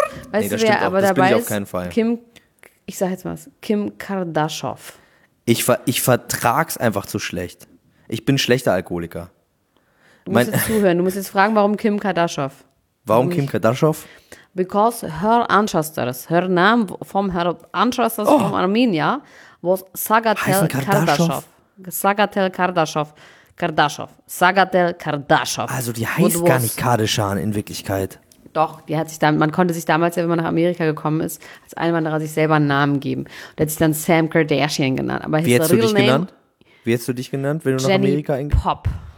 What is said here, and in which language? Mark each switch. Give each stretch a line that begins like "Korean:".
German: Weißt du, wer aber dabei ist? Das bin ich auf keinen Fall. Ich sag jetzt mal was. Kim Kardashian. Ich vertrag's einfach zu schlecht. Ich bin schlechter Alkoholiker. Du musst jetzt zuhören. Du musst jetzt fragen, warum Kim Kardashian? Warum Kim Kardashian?
English: Because her ancestors, her name from her ancestors from Armenia was Sagatel Kardashian. Sagatel Kardashian. Sagatel Kardashian.
German: Also die heißt gar nicht Kardashian in Wirklichkeit. Doch, die hat sich dann, man konnte sich damals, wenn man nach Amerika gekommen ist, als Einwanderer sich selber einen Namen geben. Und der hat sich dann Sam Kardashian genannt. Aber wie hättest du dich genannt? Wie hättest du dich genannt, wenn du Jenny nach Amerika eingegangen? Pop.